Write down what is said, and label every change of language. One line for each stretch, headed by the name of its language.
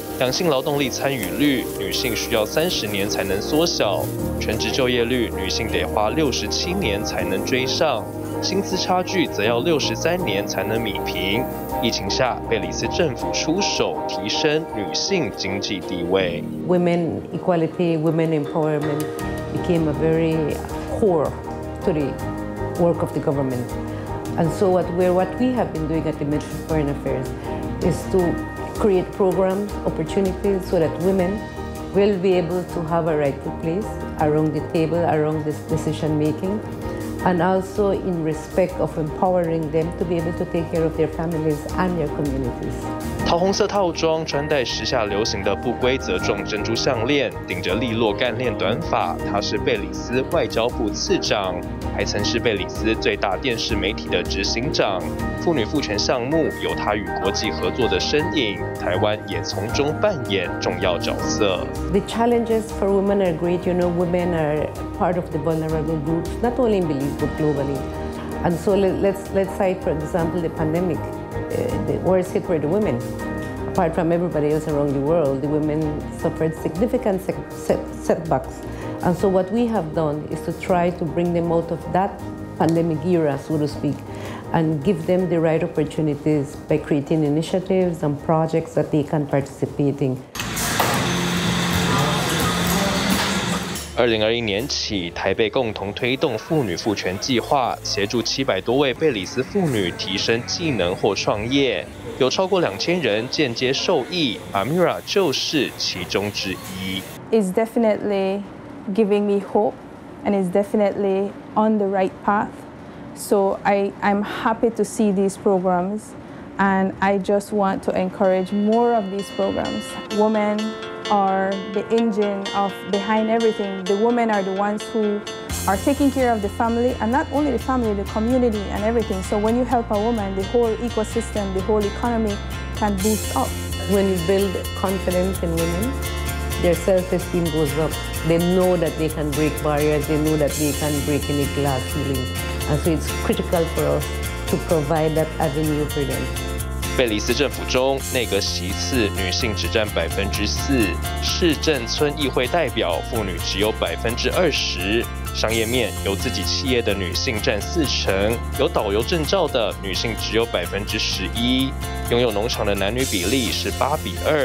Chinese: 两性劳动力参与率，女性需要30年才能缩小；全职就业率，女性得花67年才能追上；薪资差距则要63年才能弥平。疫情下，贝里斯政府出手提升女性经济地位。
English: Women equality, women empowerment became a very core to the work of the government. And so what we have been doing at the Ministry of Foreign Affairs is to. Create program opportunities so that women will be able to have a rightful place around the table, around this decision making, and also in respect of empowering them to be able to take care of their families and their communities.
Chinese: 桃红色套装，穿戴时下流行的不规则状珍珠项链，顶着利落干练短发，她是贝里斯外交部次长，还曾是贝里斯最大电视媒体的执行长。妇女赋权项目有她与国际合作的身影，台湾也从中扮演重要角色。
English: The challenges for women are great. You know, women are part of the vulnerable groups, not only in Belize but globally. And so let's cite for example the pandemic. The worst hit were the women. Apart from everybody else around the world, the women suffered significant setbacks. And so what we have done is to try to bring them out of that pandemic era, so to speak, and give them the right opportunities by creating initiatives and projects that they can participate in.
Chinese: 2021年起，台北共同推动妇女赋权计划，协助700多位贝里斯妇女提升技能或创业，有超过2000人间接受益。 Amira 就是其中之一。
English: It's definitely giving me hope, and it's definitely on the right path. So I'm happy to see these programs, and I just want to encourage more of these programs. Women. Are the engine of behind everything. The women are the ones who are taking care of the family, and not only the family, the community and everything. So when you help a woman, the whole ecosystem, the whole economy can boost up. When you build confidence in women, their self-esteem goes up. They know that they can break barriers. They know that they can break any glass ceiling. And so it's critical for us to provide that avenue for them.
Chinese: 贝里斯政府中，内阁席次女性只占4%，市政村议会代表妇女只有20%。商业面有自己企业的女性占40%，有导游证照的女性只有11%，拥有农场的男女比例是8:2。